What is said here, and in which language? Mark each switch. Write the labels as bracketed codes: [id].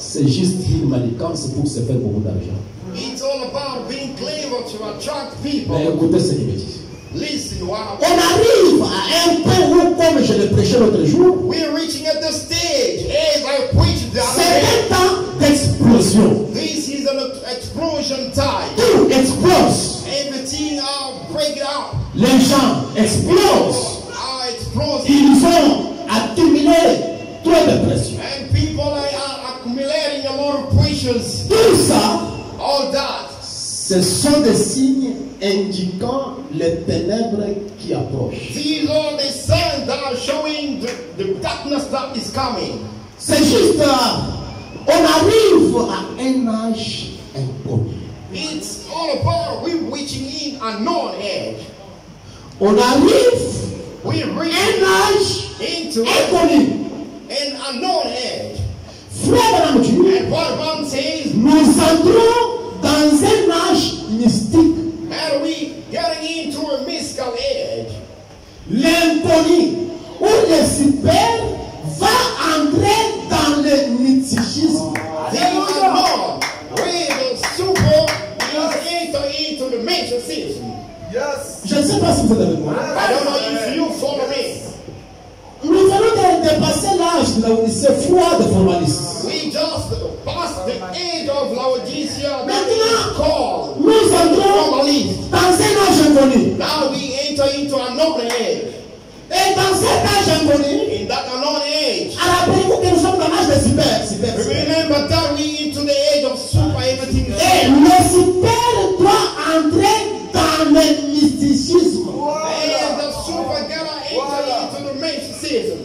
[fr] C'est juste une manigance pour se faire beaucoup d'argent. [en] It's all about being clever to attract people. [fr] Mais écoutez ce que je dis. [en] Listen, [fr] on arrive à un point où, comme je l'ai prêché l'autre jour, [en] we're reaching at the stage as I preach the other day. [fr] C'est un temps d'explosion. [en] This is an explosion time. [fr] Tout explose. [en] Everything are breaking out. [fr] Les gens explosent. [en] Are explosing. [fr] Ils ont accumulé trop de pression. [en] And people are accumulating a lot of pressures. [fr] Tout ça, [en] all that, [fr] ce sont des signes indiquant les ténèbres qui approchent. [en] These are the signs that are showing the darkness that is coming. [fr] C'est juste, on arrive à un âge inconnu. [en] It's all about we reaching in a known age. [fr] On arrive, [en] we reach [fr] un âge [en] into [fr] inconnu, [en] an unknown age. [fr] Frère Branham dit, [en] and what one says, [fr] nous entrons dans un âge mystique. [en] And we getting into a mystical age. [fr] L'inconnu où le super va entrer dans le mysticisme. [en] The unknown where the super is entering into the mysticism. Yes. [fr] Je ne sais pas si vous avez compris. [en] I don't know if you follow me. [fr] Nous venons de dépasser l'âge de la Odyssée froide formaliste. [en] We just passed the end of Laodicea. [fr] Maintenant, nous entrons dans un âge inconnu. [en] Now we enter into another age. [fr] Et dans cet âge inconnu, [en] in that unknown age, [fr] rappelez-vous que nous sommes dans l'âge des super. [en] Remember that we into the age of super everything. [fr] Et le super doit entrer dans le mysticisme. Voilà. [en] And the super gotta enter into the mysticism.